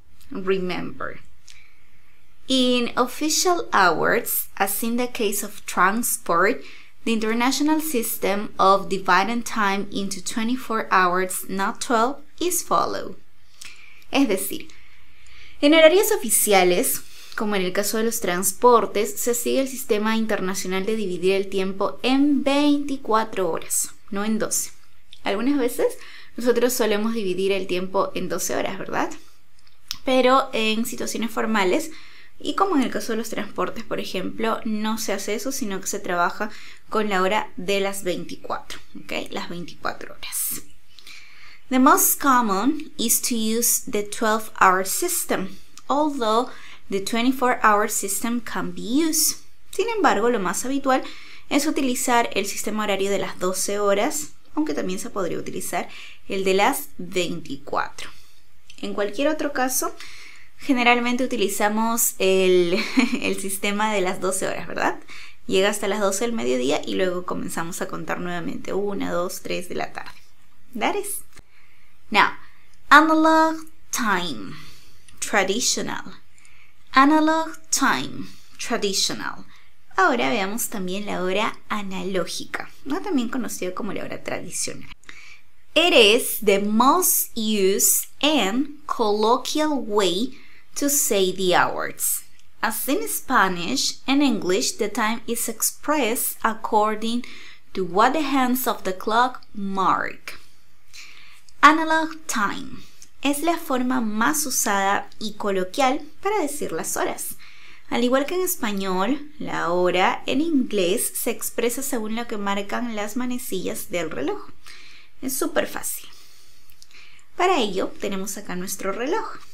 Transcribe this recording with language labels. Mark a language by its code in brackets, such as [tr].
[en] Remember, in official hours, as in the case of transport, the international system of dividing time into 24 hours, not 12, is followed. [es] Es decir, en horarios oficiales, como en el caso de los transportes, se sigue el sistema internacional de dividir el tiempo en 24 horas, no en 12. Algunas veces nosotros solemos dividir el tiempo en 12 horas, ¿verdad? Pero en situaciones formales, y como en el caso de los transportes, por ejemplo, no se hace eso, sino que se trabaja con la hora de las 24, ¿ok? Las 24 horas. [en] The most common is to use the 12-hour system, although the 24-hour system can be used. [es] Sin embargo, lo más habitual es utilizar el sistema horario de las 12 horas, aunque también se podría utilizar el de las 24. En cualquier otro caso, generalmente utilizamos el sistema de las 12 horas, ¿verdad? Llega hasta las 12 del mediodía y luego comenzamos a contar nuevamente 1, 2, 3 de la tarde. [en] That is. Now, analog time, traditional. Analog time, traditional. [es] Ahora veamos también la hora analógica, ¿no? También conocida como la hora tradicional. [en] It is the most used and colloquial way to say the hours. As in Spanish and English, the time is expressed according to what the hands of the clock mark. [es] Analog time es la forma más usada y coloquial para decir las horas. Al igual que en español, la hora en inglés se expresa según lo que marcan las manecillas del reloj. Es súper fácil. Para ello, tenemos acá nuestro reloj.